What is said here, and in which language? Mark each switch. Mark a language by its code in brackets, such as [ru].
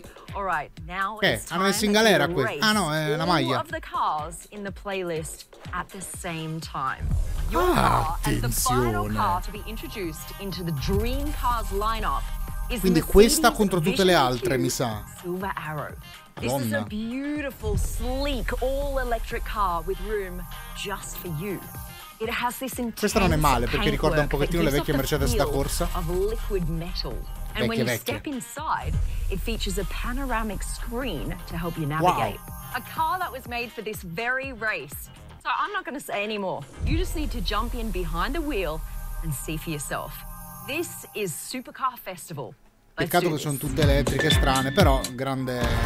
[it] Che? Hanno messo in galera questa? Ah no, è la maglia. Ah, attenzione! Quindi questa contro tutte le altre, mi sa. Madonna. [en] This is a beautiful, sleek, all-electric car with room just for you. It has this intense. [it] Questa non è male, perché ricorda un pochettino le vecchie Mercedes da corsa. Vecchie. [en] And when you step inside, it features a panoramic screen to help you navigate. Wow. A car that was made for this very race. So I'm not going to say anymore. You just need to jump in behind the wheel and see for yourself. This is Supercar Festival. [it] Peccato che sono tutte elettriche strane, però grande